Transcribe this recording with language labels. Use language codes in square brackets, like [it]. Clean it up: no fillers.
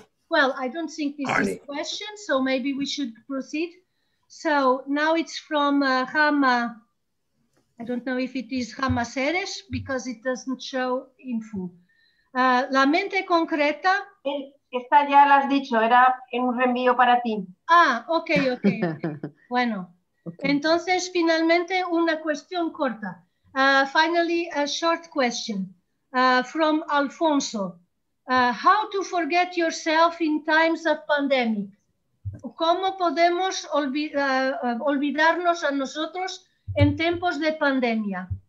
[en] Well, I don't think this Arnie. Is a question, so maybe we should proceed. So now it's from Hama. I don't know if it is Hama Seres, because it doesn't show in full. [es] La mente concreta... Esta ya la has dicho, era en un reenvío para ti. Ah, okay. Bueno, okay. Entonces finalmente una cuestión corta. [en] Finally, a short question. From Alfonso, how to forget yourself in times of pandemic? [es] ¿Cómo podemos olvidarnos a nosotros en tiempos de pandemia?